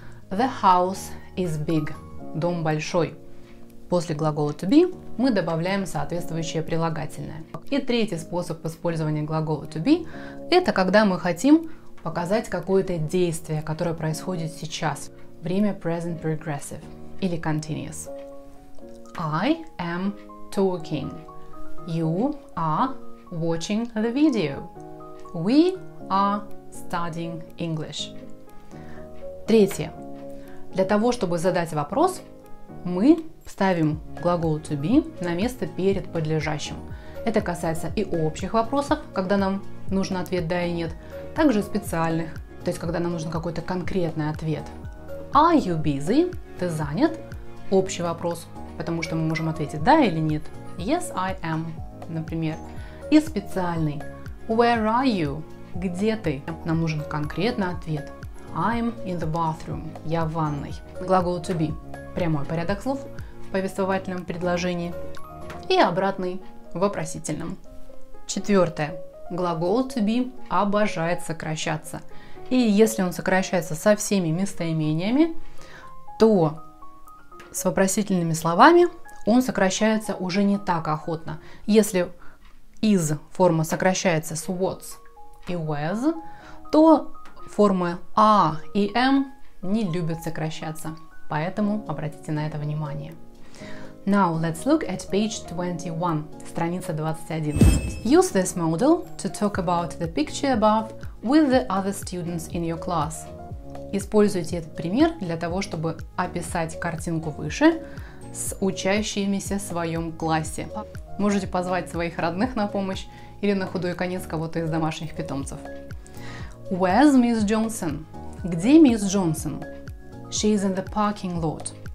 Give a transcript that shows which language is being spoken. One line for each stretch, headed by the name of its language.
English: The house is big.
Russian: Дом большой. После глагола to be мы добавляем соответствующее прилагательное. И третий способ использования глагола to be – это когда мы хотим показать какое-то действие, которое происходит сейчас. Время present progressive или continuous.
English: I am talking. You are watching the video. We are studying English.
Russian: Третье. Для того, чтобы задать вопрос, мы ставим глагол to be на место перед подлежащим. Это касается и общих вопросов, когда нам нужен ответ «да» и «нет», также специальных, то есть когда нам нужен какой-то конкретный ответ.
English: Are you busy?
Russian: Ты занят? Общий вопрос, потому что мы можем ответить «да» или «нет».
English: Yes, I am, например.
Russian: И специальный.
English: Where are you?
Russian: Где ты? Нам нужен конкретный ответ.
English: I'm in the bathroom.
Russian: Я в ванной. Глагол to be. Прямой порядок слов в повествовательном предложении. И обратный в вопросительном. Четвертое. Глагол to be обожает сокращаться. И если он сокращается со всеми местоимениями, то с вопросительными словами он сокращается уже не так охотно. Если is форма сокращается с was и was, то формы are и am не любят сокращаться. Поэтому обратите на это внимание.
English: Now let's look at page 21,
Russian: страница 21.
English: Use this model to talk about the picture above with the other students in your class.
Russian: Используйте этот пример для того, чтобы описать картинку выше с учащимися в своем классе. Можете позвать своих родных на помощь или на худой конец кого-то из домашних питомцев.
English: Where's Miss Johnson?
Russian: Где
English: Miss Johnson? She is in the parking lot.